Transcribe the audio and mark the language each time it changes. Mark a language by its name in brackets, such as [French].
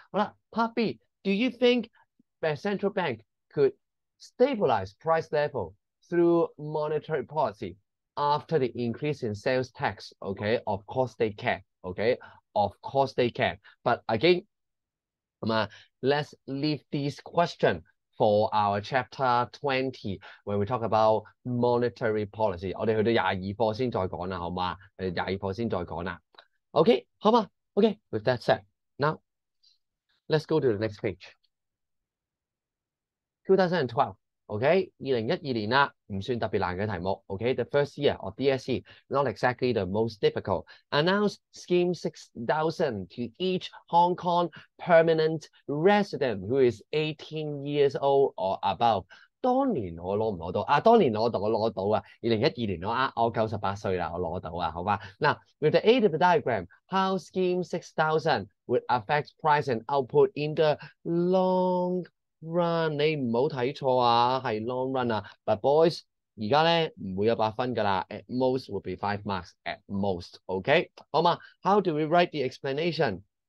[Cantonese] 好啦, [English] part B, do you think the central bank could stabilize price level through monetary policy after the increase in sales tax, okay? Of course they can, okay? Of course they can. But again, let's leave this question for our chapter 20, where we talk about monetary policy. [Cantonese] 我们去到22课先再讲啦,好吗? 22课先再讲啦。Okay,好吗? [English] Okay, with that said, now, let's go to the next page. [Cantonese] 2012, okay? 2012年啦,不算特别难的题目, okay? [English] The first year of DSE, not exactly the most difficult. Announced scheme 6,000 to each Hong Kong permanent resident who is 18 years old or above. [Cantonese] 当年我拿到,2012年我98岁了,我拿到,好吧? [English] Now, with the aid of the diagram, how scheme 6,000 would affect price and output in the long run, [Cantonese] 你唔好睇错啊，系 long run 啊。 [English] But boys, [Cantonese] 而家咧唔会有8分噶啦。 [English] At most would be 5 marks. At most, okay? [Cantonese] 好嘛 ？ [English] How do we write the explanation?